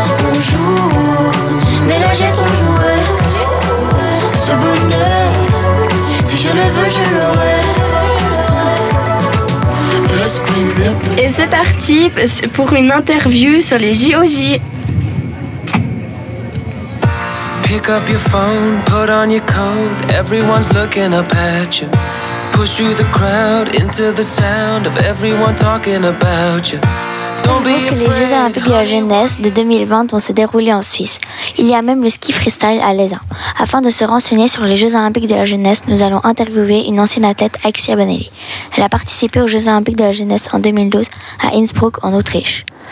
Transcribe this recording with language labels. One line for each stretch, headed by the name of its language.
French: On joue, mais là j'ai trop joué. Ce bonheur, si je le veux, je l'aurai. Et c'est parti pour une interview sur les JOJ.
English: Pick up your phone, put on your coat. Everyone's looking up at you. Push through the crowd into the sound of everyone talking about you.
French: Que les Jeux Olympiques de la Jeunesse de 2020 vont se dérouler en Suisse. Il y a même le ski freestyle à Lausanne. Afin de se renseigner sur les Jeux Olympiques de la Jeunesse, nous allons interviewer une ancienne athlète, Aixia Bonelli. Elle a participé aux Jeux Olympiques de la Jeunesse en 2012 à Innsbruck en Autriche.